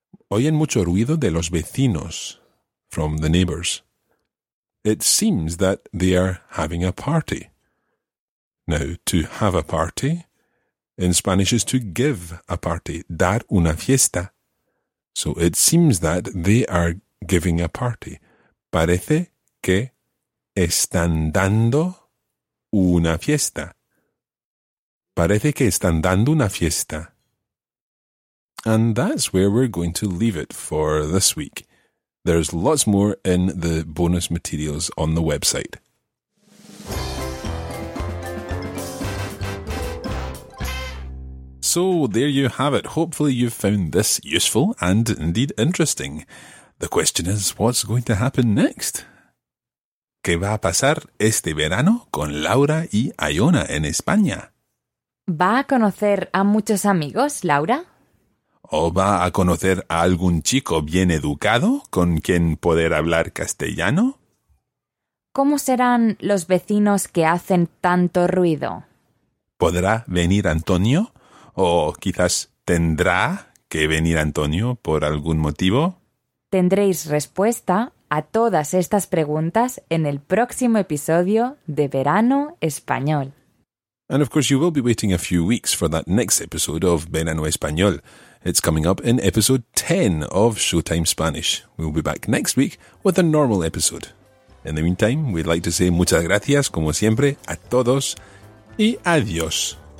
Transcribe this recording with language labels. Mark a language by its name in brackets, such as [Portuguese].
[Spanish] Oyen mucho ruido de los vecinos, [English] from the neighbors. It seems that they are having a party. Now, to have a party in Spanish is to give a party, [Spanish] dar una fiesta. [English] So it seems that they are giving a party. [Spanish] Parece que están dando una fiesta. Parece que están dando una fiesta. [English] And that's where we're going to leave it for this week. There's lots more in the bonus materials on the website. So there you have it. Hopefully you've found this useful and indeed interesting. The question is, what's going to happen next? [Spanish] ¿Qué va a pasar este verano con Laura y Iona en España? ¿Va a conocer a muchos amigos, Laura? ¿O va a conocer a algún chico bien educado con quien poder hablar castellano? ¿Cómo serán los vecinos que hacen tanto ruido? ¿Podrá venir Antonio? ¿O quizás tendrá que venir Antonio por algún motivo? Tendréis respuesta a todas estas preguntas en el próximo episodio de Verano Español. [English] And of course you will be waiting a few weeks for that next episode of Verano Español. It's coming up in episode 10 of Showtime Spanish. We'll be back next week with a normal episode. In the meantime, we'd like to say [Spanish] muchas gracias, como siempre, a todos y adiós.